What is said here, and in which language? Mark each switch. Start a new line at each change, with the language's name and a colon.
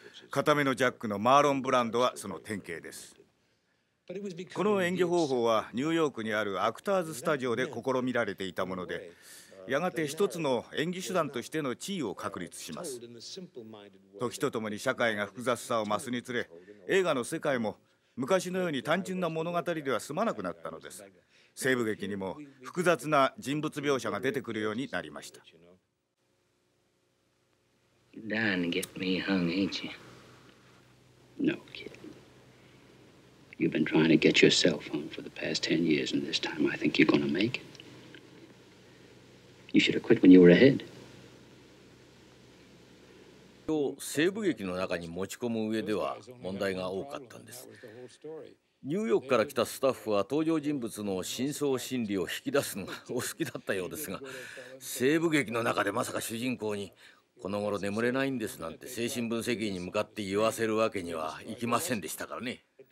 Japanese: 固めのジャックのマーロン・ブランドはその典型です。この演技方法はニューヨークにあるアクターズスタジオで試みられていたもので、やがて一つの演技手段としての地位を確立します。時とともに社会が複雑さを増すにつれ、映画の世界も昔のように単純な物語では済まなくなったのです。西部劇にも複雑な人物描写が出てくるようになりました。
English: You're dying to get me hung, ain't you? No, kid. You've been trying to get yourself hung for the past 10 years, and this time I think you're gonna make it. You should have quit when you were ahead.
Japanese: を西部劇の中に持ち込む上では問題が多かったんです。ニューヨークから来たスタッフは登場人物の深層心理を引き出すのがお好きだったようですが、西部劇の中でまさか主人公にこの頃眠れないんですなんて精神分析に向かって言わせるわけにはいきませんでしたからね。